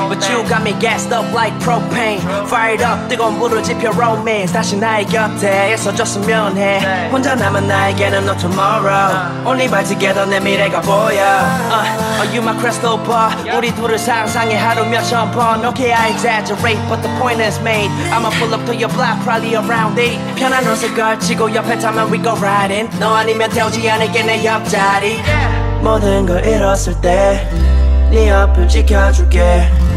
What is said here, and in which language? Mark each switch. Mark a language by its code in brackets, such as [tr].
[en] But you got me gassed up like propane. Fired up, [ko] 뜨거운 불을 지펴 [en] romance. [ko] 다시 나의 곁에 있어줬으면 해. 혼자 남은 나에게는 [en] no tomorrow. Only by together [ko] 내 미래가 보여. [en] Are you my crystal ball? [ko] 우리 둘을 상상해 하루 몇천 번. [en] Okay, I exaggerate, but the point is made. I'ma pull up to your block, probably around 8. [ko] 편한 옷을 걸치고 옆에 타면 [en] we go riding. [ko] 너 아니면 태우지 않을게 내 옆자리. 모든 걸 잃었을 때 네 옆을 지켜줄게.